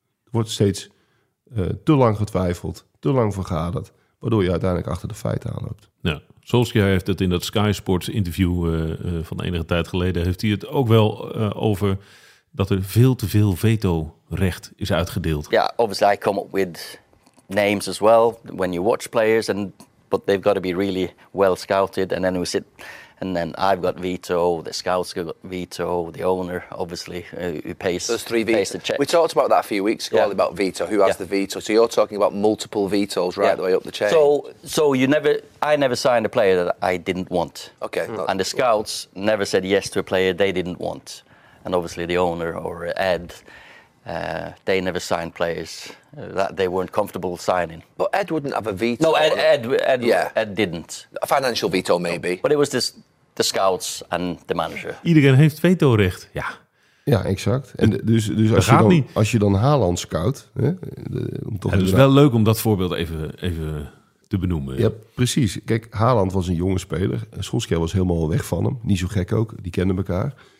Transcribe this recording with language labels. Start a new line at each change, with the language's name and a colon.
Dutch: Er wordt steeds te lang getwijfeld, te lang vergaderd, waardoor je uiteindelijk achter de feiten aanloopt. Ja. Solskjaer heeft het in dat Sky Sports interview van enige tijd geleden, heeft hij het ook wel over dat er veel te veel veto recht is uitgedeeld.
English: Yeah, obviously I come up with names as well when you watch players, and but they've got to be really well scouted. And then we sit, and then I've got veto, the scouts got veto, the owner, obviously, who pays. Those three vetoes. We talked about that a few weeks ago, about veto, who has the veto. So you're talking about multiple vetoes right the way up the chain. So you never, I never signed a player that I didn't want. Okay. Mm. And the scouts never said yes to a player they didn't want. And obviously the owner or Ed, they never signed players that they weren't comfortable signing. But Ed wouldn't have a veto. No, Ed didn't. A financial veto, maybe. But it was just the scouts and the manager.
Dutch: Iedereen heeft vetorecht, ja. Ja, exact. En dus als, gaat je dan, niet. Als je dan Haaland scout... Hè, het is wel leuk om dat voorbeeld even te benoemen. Ja, precies. Kijk, Haaland was een jonge speler. Solskjaer was helemaal weg van hem. Niet zo gek ook, die kenden elkaar.